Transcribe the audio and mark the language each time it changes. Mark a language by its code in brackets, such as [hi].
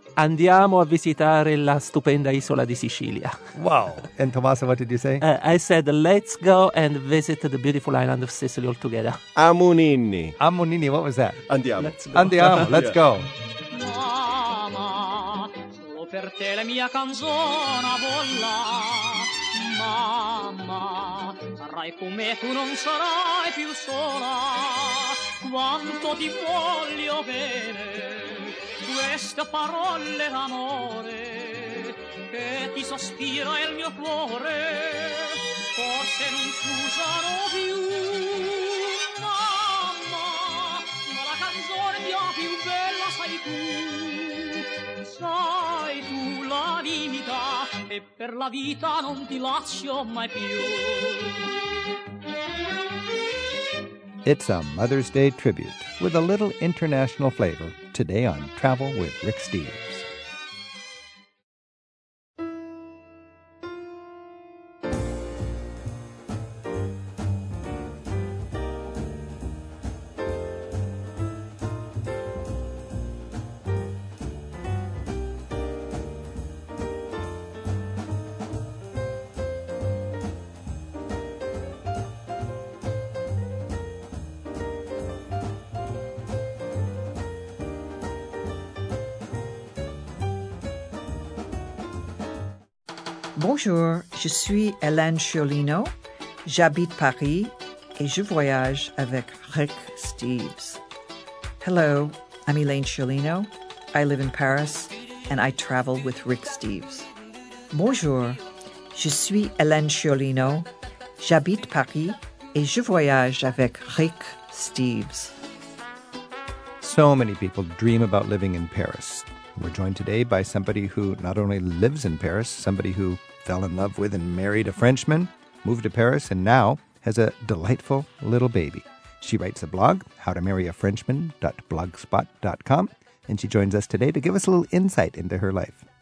[it] Andiamo a visitare la stupenda isola di Sicilia. [en] Wow. And Tommaso, what did you say? I said, let's go and visit the beautiful island of Sicily all together. [scn] Amunini. [en] Amunini, what was that? [it] Andiamo. [en] Let's go. Andiamo, let's go. [it] Mama, solo per te la mia canzone vola. Mama, sarai come tu non sarai più sola. Quanto ti voglio bene. Queste parole d'amore che ti sospira il mio cuore, forse non fusano più, mamma, ma la canzone mia più bella sei tu, sei tu la vita e per la vita non ti lascio mai più. [en] It's a Mother's Day tribute with a little international flavor today on Travel with Rick Steves. [fr] Bonjour, je suis Hélène Chiolino, j'habite Paris, et je voyage avec Rick Steves. [en] Hello, I'm Hélène Chiolino, I live in Paris, and I travel with Rick Steves. [fr] Bonjour, je suis Hélène Chiolino, j'habite Paris, et je voyage avec Rick Steves. [en] So many people dream about living in Paris. We're joined today by somebody who not only lives in Paris, somebody who fell in love with and married a Frenchman, moved to Paris, and now has a delightful little baby. She writes a blog, howtomarryafrenchman.blogspot.com, and she joins us today to give us a little insight into her life.